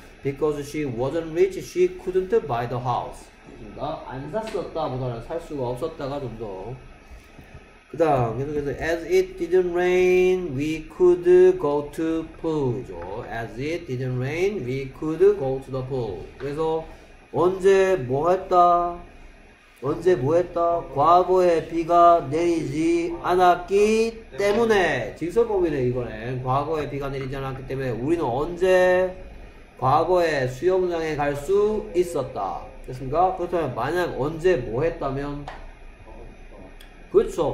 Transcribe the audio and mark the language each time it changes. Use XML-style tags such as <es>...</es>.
<en>Because she wasn't rich, she couldn't buy the house.</en> <ko>됐습니다. 안 샀었다 보다는 살 수가 없었다가 좀 더. 그 다음, 계속해서,</ko> <en>as it didn't rain, we could go to pool.</en> <ko>그죠?</ko> <en>As it didn't rain, we could go to the pool.</en> <ko>그래서, 언제 뭐 했다? 언제 뭐 했다? 과거에 비가 내리지 않았기 때문에 직설법이네 이번엔. 과거에 비가 내리지 않았기 때문에 우리는 언제 과거에 수영장에 갈수 있었다. 됐습니까? 그렇다면 만약 언제 뭐 했다면 그렇죠.</ko>